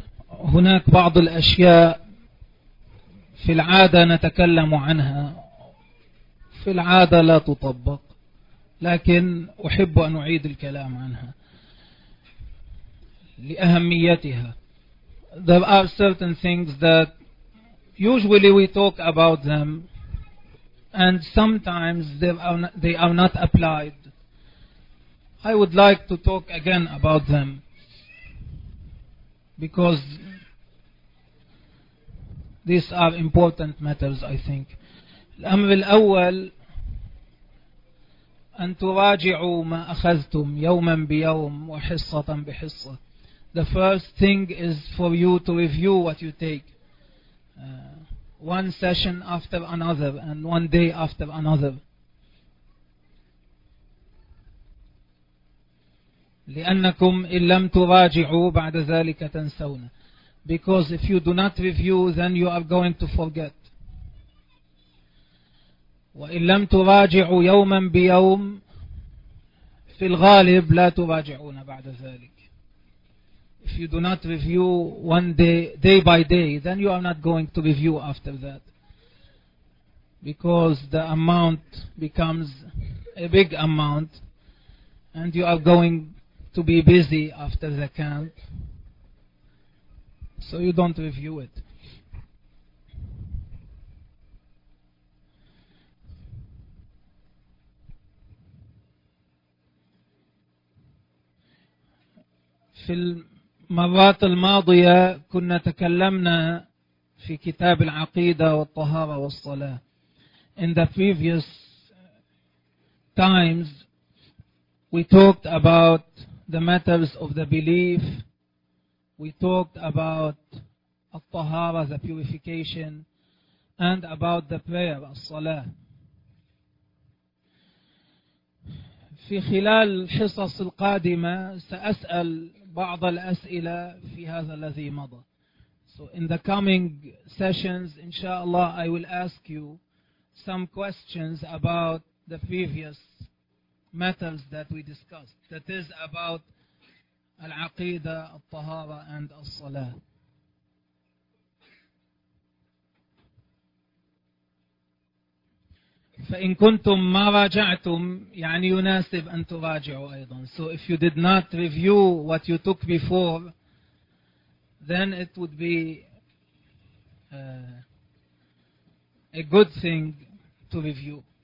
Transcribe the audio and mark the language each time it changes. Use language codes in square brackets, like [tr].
[ar] هناك بعض الأشياء في العادة نتكلم عنها في العادة لا تطبق، لكن أحب أن أعيد الكلام عنها لأهميتها. [en] There are certain things that usually we talk about them and sometimes they are not applied. I would like to talk again about them because these are important matters, I think. [ar] الأمر الأول أن تراجعوا ما أخذتم يوما بيوم وحصة بحصة. [en] The first thing is for you to review what you take. One session after another and one day after another. [ar] لأنكم إن لم تراجعوا بعد ذلك تنسون. [en] Because if you do not review, then you are going to forget. [ar] وإن لم تراجعوا يوما بيوم في الغالب لا تراجعون بعد ذلك. [en] If you do not review one day by day, then you are not going to review after that. Because the amount becomes a big amount and you are going to be busy after the camp. So you don't review it. [ar] في المرات الماضية كنا تكلمنا في كتاب العقيدة والطهارة والصلاة. [en] In the previous times, we talked about the matters of the belief. We talked about al-tahara, the purification, and about the prayer, al-salah. [ar] في خلال الحصص القادمة سأسأل بعض الأسئلة في هذا الذي مضى. [en] So in the coming sessions, inshallah, I will ask you some questions about the previous matters that we discussed. That is about العقيدة الطهارة and الصلاة. [ar] فإن كنتم ما راجعتم يعني يناسب أن تراجعوا أيضا. [en] So if you did not review what you took before, then it would be a good thing to review.